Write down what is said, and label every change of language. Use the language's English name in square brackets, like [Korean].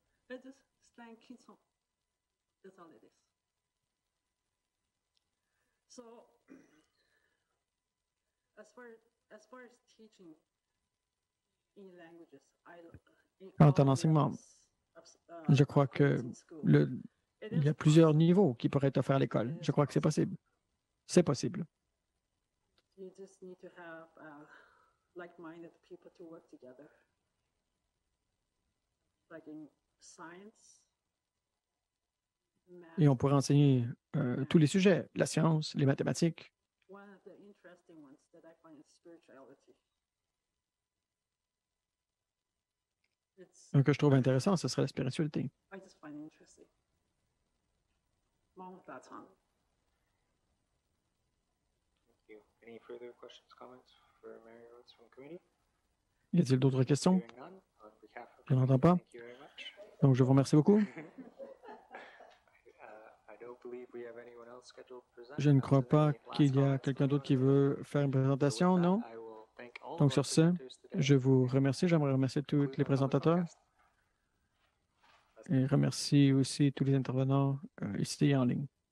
[English] It's just slang kids. That's all it is. So as far as teaching in languages, [French] quant à l'enseignement, je crois que il y a plusieurs niveaux qui pourraient être offerts à l'école. Je crois que c'est possible. C'est possible. [English] You just need to have like-minded people to work together. Like in science, math. [French] Et on pourrait enseigner tous les sujets, la science, les mathématiques. [English] One of the interesting ones that I find is spirituality. [French] Un que je trouve intéressant, ce serait la spiritualité. [English] I just find it interesting. Along with that song. Thank you. Any further questions, comments for Mary Rhodes from committee? [French] Y a-t-il d'autres questions? Je n'entends pas. [English] Thank you very much. [French] Donc, je vous remercie beaucoup. [English] I don't believe we have anyone else scheduled to present. [French] Je ne crois pas qu'il y a quelqu'un d'autre qui veut faire une présentation, non? Donc, sur ce, je vous remercie. J'aimerais remercier tous les présentateurs et remercie aussi tous les intervenants ici en ligne.